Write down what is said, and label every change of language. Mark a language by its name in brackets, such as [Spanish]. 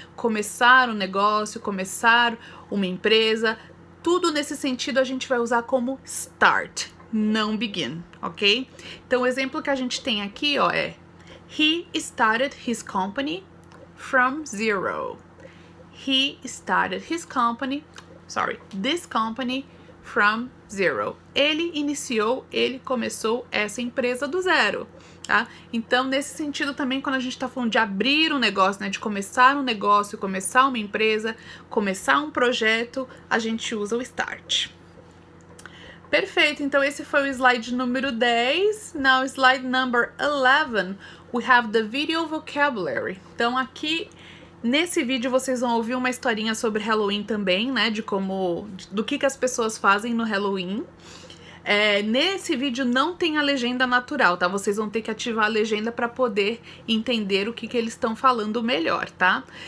[Portuguese] Começar um negócio, começar uma empresa, tudo nesse sentido a gente vai usar como start, não begin, ok? Então, o exemplo que a gente tem aqui, ó, é [English] He started his company from zero. He started his company, sorry, this company from zero. [Portuguese] Ele iniciou, ele começou essa empresa do zero, tá? Então, nesse sentido também, quando a gente está falando de abrir um negócio, né, de começar um negócio, começar uma empresa, começar um projeto, a gente usa o start. Perfeito. Então, esse foi o slide número 10. [English] Now, slide number 11, we have the video vocabulary. [Portuguese] Então, aqui nesse vídeo vocês vão ouvir uma historinha sobre Halloween também, né? De como, do que as pessoas fazem no Halloween. Nesse vídeo não tem a legenda natural, tá? Vocês vão ter que ativar a legenda para poder entender o que eles estão falando melhor, tá?